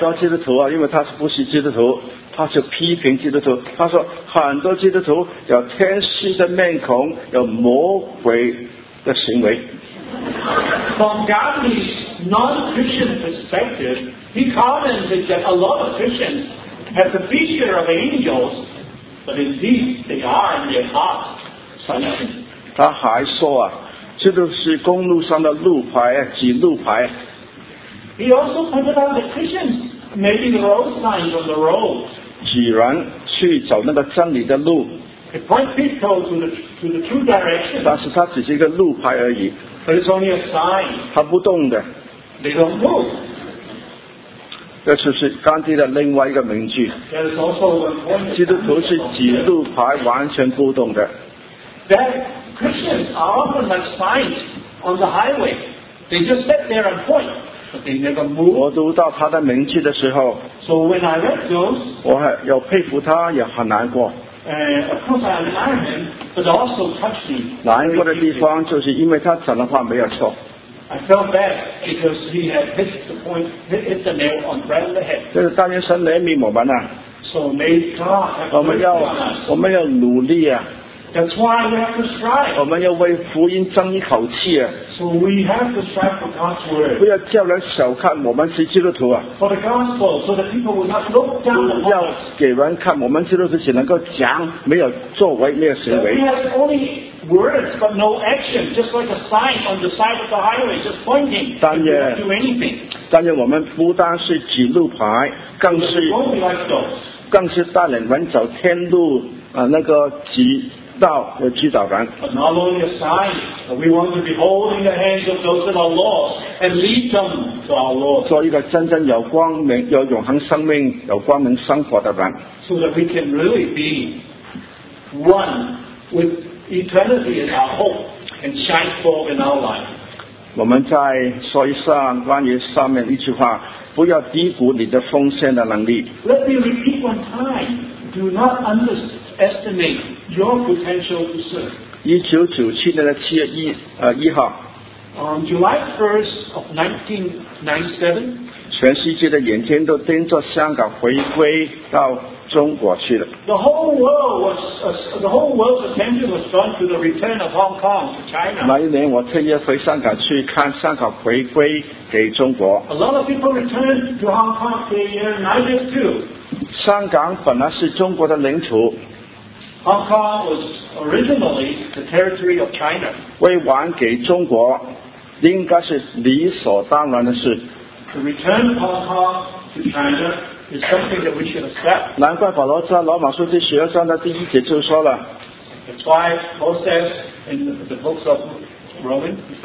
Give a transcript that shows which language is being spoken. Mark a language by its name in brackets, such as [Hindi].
[Chinese] 多基督徒、因为他是不是基督徒，他就批评基督徒，他说很多基督徒有天使的面孔，有魔鬼的行为。 [English] From Gandhi's non-Christian perspective, he commented that a lot of Christians have the feature of angels, but indeed they are in their hearts. [Chinese] 他还说啊，这都是公路上的路牌，几路牌。 [English] He also pointed out the Christians making the road signs on the road. [Chinese] 几人去走那个真理的路。 [English] He points people to the true direction. [Chinese] 但是它只是一个路牌而已。 [English] But it's only a sign. [Chinese] 它不动的。 [English] They don't move. [Chinese] 这就是甘地的另外一个名句。 [English] That is also important. [Chinese] 基督徒是几路牌完全不动的。 [English] Christians are often like signs on the highway. They just sit there and point, but they never move. [Chinese] 我读到他的名句的时候， [English] so when I read those, [Chinese] 我有佩服他，也很难过。 [English] Of course, I admire him, but also touched me. [Chinese] 难过的地方就是因为他讲的话没有错。 [English] I felt bad because he had hit the nail on the right of the head. [Chinese] 这是但愿神怜悯我们呐。 [English] So may God have mercy on us. [Chinese] 我们要努力啊。 [English] That's why we have to strive. [Chinese] 我们要为福音争一口气啊。 [English] So we have to strive for God's word. [Chinese] 不要叫人小看我们是基督徒啊。 [English] For the gospel, so that people will not look down upon us. [Chinese] 要给人看我们基督徒只能够讲，没有作为，没有行为。 [English] We have only words but no action, just like a sign on the side of the highway, just pointing. [Chinese] 但也，但也我们不单是指路牌，更是，更是带领人走天路啊，那个指。道和指导人。 [English] But not only a sign, but we want to be holding the hands of those that are lost and lead them to our Lord. [Chinese] 做一个真正有光明、有永恒生命、有光明生活的人。 [English] So that we can really be one with eternity as our hope and shine forth in our life. [Chinese] 我们再说一下关于上面一句话：不要低估你的奉献的能力。 [English] Let me repeat one time. Do not underestimate. Your potential to serve. [Chinese] 1997年的七月一一号。 [English] On July 1st of 1997. [Chinese] 全世界的眼睛都盯着香港回归到中国去了。 [English] The whole The whole world's attention was drawn to the return of Hong Kong to China. [Chinese] 那一年我特意回香港去看香港回归给中国。 [English] A lot of people returned to Hong Kong to the United too. [Chinese] 香港本来是中国的领土。 [English] Hong Kong was originally the territory of China. [Chinese] 归还给中国应该是理所当然的事。 [English] To return Hong Kong to China is something that we should accept. [Chinese] 难怪保罗在罗马书第十二章的第一节就说了。 [English] That's why Paul says in the books of Romans,